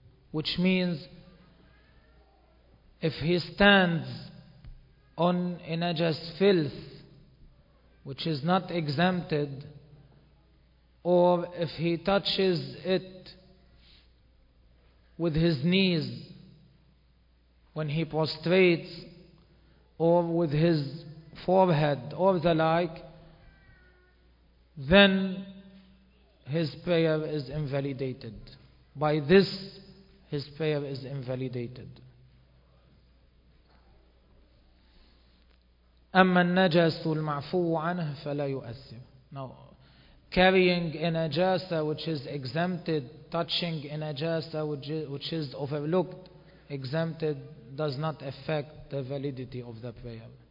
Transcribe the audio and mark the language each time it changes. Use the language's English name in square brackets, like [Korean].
[English] Which means if he stands on a najas filth which is not exempted, or if he touches it with his knees when he prostrates, or with his forehead or the like, then his prayer is invalidated. By this, his prayer is invalidated. [Arabic] أما النجاس المعفو عنه فلا يؤثر. [English] Now, carrying a najasa which is exempted, touching a najasa which is overlooked, exempted, does not affect the validity of the prayer.